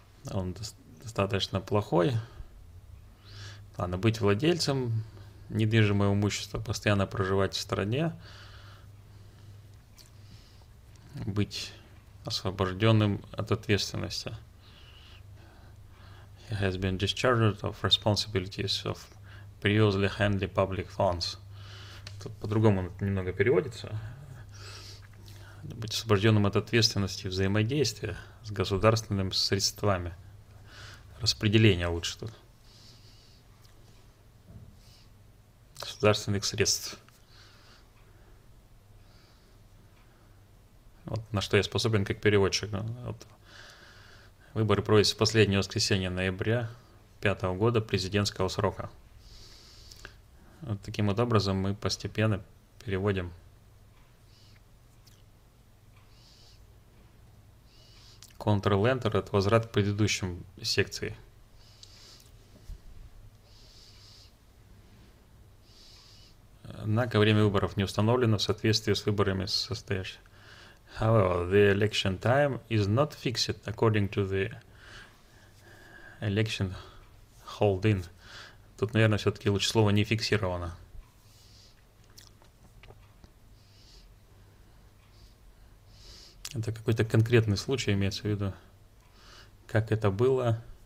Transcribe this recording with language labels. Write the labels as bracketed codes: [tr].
[ru] Он достаточно плохой. Ладно, быть владельцем недвижимого имущества, постоянно проживать в стране, быть освобожденным от ответственности. [en] has been discharged of responsibilities of previously handled public funds. [ru] Тут по-другому немного переводится. Быть освобожденным от ответственности взаимодействия с государственными средствами. Распределение лучше тут. Государственных средств. Вот на что я способен как переводчик. Вот. Выборы проводятся в последнее воскресенье ноября 5-го года президентского срока. Вот таким вот образом мы постепенно переводим. Ctrl Enter — это возврат к предыдущим секции. Однако время выборов не установлено в соответствии с выборами состоящими. [en] However, the election time is not fixed according to the election hold-in. [ru] Тут, наверное, все-таки лучше слово не фиксировано. Это какой-то конкретный случай имеется в виду. Как это было?